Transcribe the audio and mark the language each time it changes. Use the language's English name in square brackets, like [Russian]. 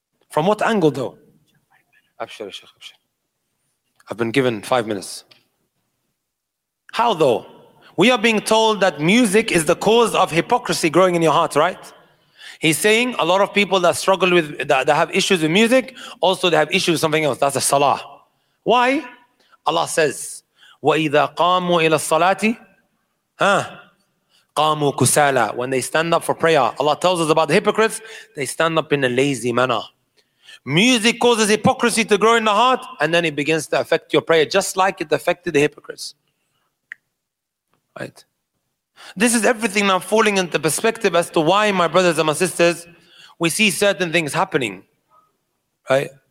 [English] From what angle, though? Abshir, Sheikh, Abshir. I've been given 5 minutes. How, though? We are being told that music is the cause of hypocrisy growing in your heart, right? He's saying a lot of people that struggle with, that have issues with music, also they have issues with something else. That's a salah. Why? Allah says, [Arabic] وَإِذَا قَامُوا إِلَى الصَّلَاةِ Huh? قاموا كسالا. [English] When they stand up for prayer, Allah tells us about the hypocrites, they stand up in a lazy manner. Music causes hypocrisy to grow in the heart, and then it begins to affect your prayer, just like it affected the hypocrites. Right? This is everything now falling into perspective as to why, my brothers and my sisters, we see certain things happening. Right?